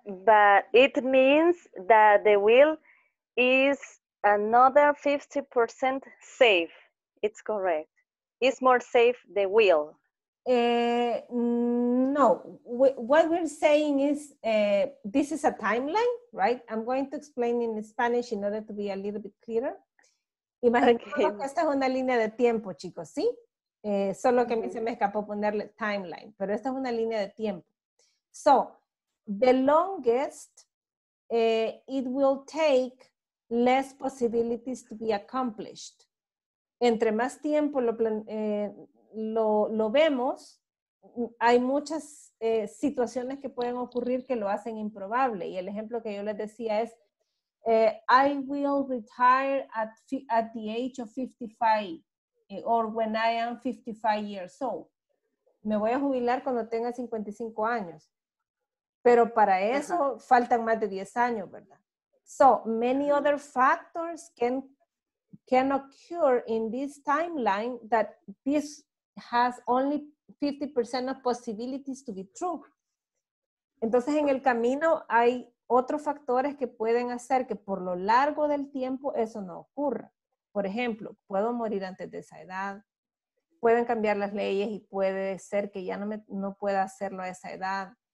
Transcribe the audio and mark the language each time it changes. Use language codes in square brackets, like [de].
[en] But it means that the will is another 50% safe. It's correct. It's more safe, the will. No, what we're saying is this is a timeline, right? I'm going to explain in Spanish in order to be a little bit clearer. [es] Imaginemos que esta es una línea de tiempo, chicos, ¿sí? Solo que a mí se me escapó ponerle timeline, pero esta es una línea de tiempo. [en] So, the longest it will take less possibilities to be accomplished. [es] Entre más tiempo lo vemos, hay muchas situaciones que pueden ocurrir que lo hacen improbable. Y el ejemplo que yo les decía es, [en] I will retire at the age of 55, or when I am 55 years old. [es] Me voy a jubilar cuando tenga 55 años. Pero para eso faltan más de 10 años, ¿verdad? [en] So, many other factors can occur in this timeline that this has only 50% of possibilities to be true. [es] Entonces, en el camino hay otros factores que pueden hacer que por lo largo del tiempo eso no ocurra. Por ejemplo, puedo morir antes de esa edad. Pueden cambiar las leyes y puede ser que ya no pueda hacerlo a esa edad.